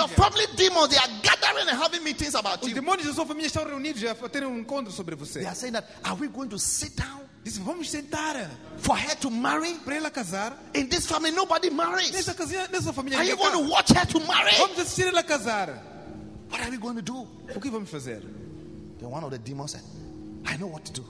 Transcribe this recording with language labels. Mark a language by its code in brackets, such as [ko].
[en] Your family demons, they are gathering and having meetings about you. [pt] Os demônios da sua família estão reunidos já para ter encontro sobre você. [en] They are saying that, are we going to sit down? [pt] Diz, vamos sentar. [en] For her to marry? [pt] Para ela casar? [en] In this family, nobody marries. [pt] Nessa família. [en] Are you going to watch her to marry? [pt] Vamos assistir ela casar. [en] What are we going to do? [pt] O que vamos fazer? [en] Then one of the demons said, I know what to do.